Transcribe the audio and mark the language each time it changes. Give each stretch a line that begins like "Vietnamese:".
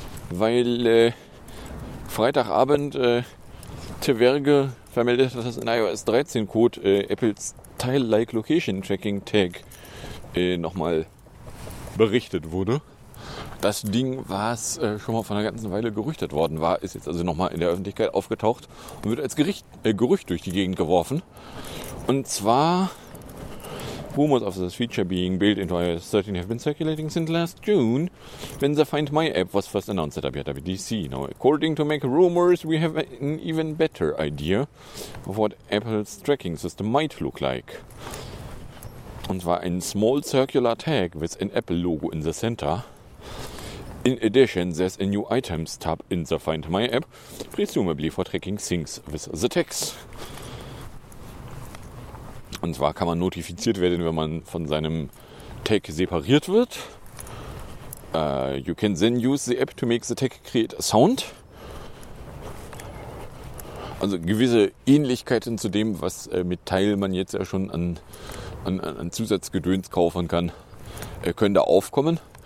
German: weil Freitagabend Teverge vermeldet hat, dass in iOS 13 Code Apples Tile-like Location Tracking Tag nochmal berichtet wurde. Das Ding, was schon mal vor einer ganzen Weile gerüchtet worden war, ist jetzt also nochmal in der Öffentlichkeit aufgetaucht und wird als Gerücht durch die Gegend geworfen. Und zwar,
English: rumors of this feature being built into iOS 13 have been circulating since last June, when the Find My App was first announced at WWDC. Now, according to Mac Rumors, we have an even better idea of what Apple's tracking system might look like.
German: Und zwar ein
English: small circular tag with an Apple logo in the center. In addition, there's a new items tab in the Find My App, presumably for tracking things with the tags.
German: Und zwar kann man notifiziert werden, wenn man von seinem Tag separiert wird.
English: You can then use the app to make the tag create a sound.
German: Also gewisse Ähnlichkeiten zu dem, was mit Teil man jetzt ja schon an Zusatzgedöns kaufen kann, können da aufkommen.